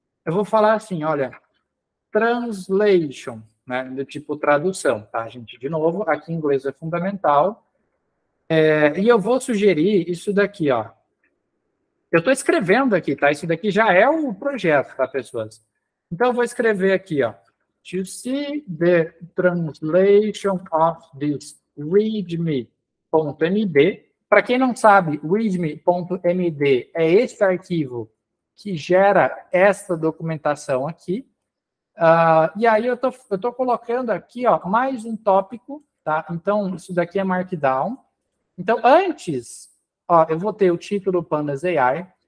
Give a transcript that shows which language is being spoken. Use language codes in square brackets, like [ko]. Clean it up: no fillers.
[pt] Eu vou falar assim, olha, translation, né, do tipo tradução, tá, gente? De novo, aqui em inglês é fundamental. E eu vou sugerir isso daqui, ó. Eu estou escrevendo aqui, tá? Isso daqui já é o projeto, tá, pessoas? Então, eu vou escrever aqui, ó. [en] To see the translation of this readme.md. [pt] Para quem não sabe, readme.md é esse arquivo que gera essa documentação aqui. E aí, eu tô colocando aqui, ó, mais um tópico, tá? Então, isso daqui é Markdown. Então, antes, ó, eu vou ter o título Pandas AI.